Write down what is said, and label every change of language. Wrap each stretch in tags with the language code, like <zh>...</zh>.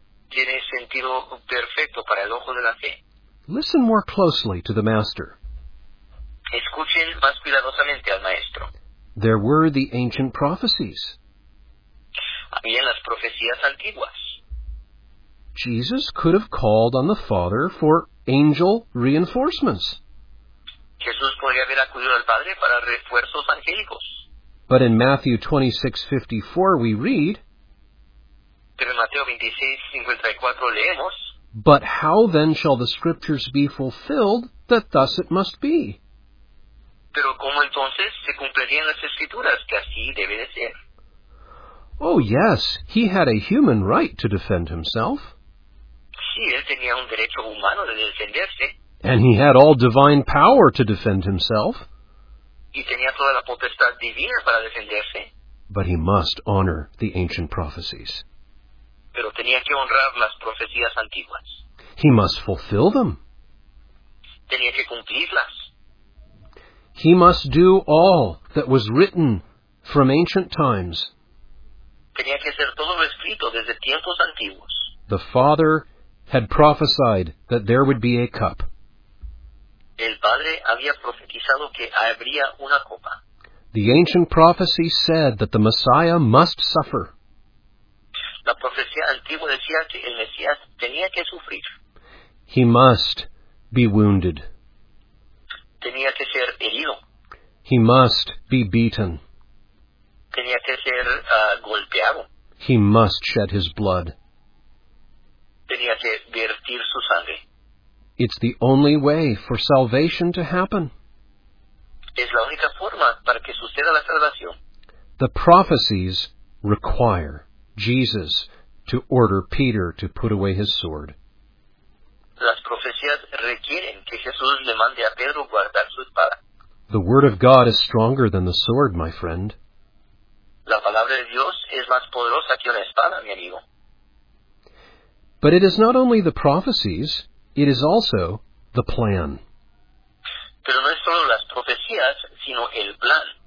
<es>Tiene sentido perfecto para el ojo de la fe.</es> <en>Listen more closely to the master.</en> <es>Escuchen más cuidadosamente al maestro.</es> <en>There were the ancient prophecies.</en> <es>Había las profecías antiguas.</es> <en>Jesus could have called on the Father for angel reinforcements.</en> <es>Jesús podría haber acudido al Padre para refuerzos angélicos.</es> <en>But in Matthew 26:54 we read,</en> <es>pero en Mateo 26:54 leemos,</es> <en>but how then shall the scriptures be fulfilled that thus it must be?</en> <es>Pero cómo entonces se cumplirían las escrituras que así debe de ser?</es> <en>Oh, yes, he had a human right to defend himself.</en> <es>Sí, él tenía un derecho humano de defenderse.</es> <en>And he had all divine power to defend himself.</en> <es>Y tenía toda la potestad divina para defenderse.</es> <en>But he must honor the ancient prophecies.</en> <es>Pero tenía que honrar las profecías antiguas.</es> <en>He must fulfill them.</en> <es>Tenía que cumplirlas.</es> <en>He must do all that was written from ancient times.</en> <es>Tenía que ser todo escrito desde tiempos antiguos.</es> <en>The Father had prophesied that there would be a cup.</en> <es>El Padre había profetizado que habría una copa.</es> <en>The ancient prophecy said that the Messiah must suffer.</en> <es>La profecía antigua decía que el Mesías tenía que sufrir.</es> <en>He must be wounded.</en> <es>Tenía que ser herido.</es> <en>He must be beaten.</en> <es>Tenía que ser golpeado.</es> <en>He must shed his blood.</en> <es>Tenía que vertir su sangre.</es> <en>It's the only way for salvation to happen.</en> <es>Es la única forma para que suceda la salvación.</es> <en>The prophecies require Jesus to order Peter to put away his sword.</en> <es>Las profecías requieren que Jesús le mande a Pedro guardar su espada.</es> <en>The word of God is stronger than the sword, my friend.</en> <es>La palabra de Dios es más poderosa que una espada, mi amigo.</es> <en>But it is not only the prophecies, it is also the plan.</en> <es>Pero no es solo las profecías, sino el plan.</es>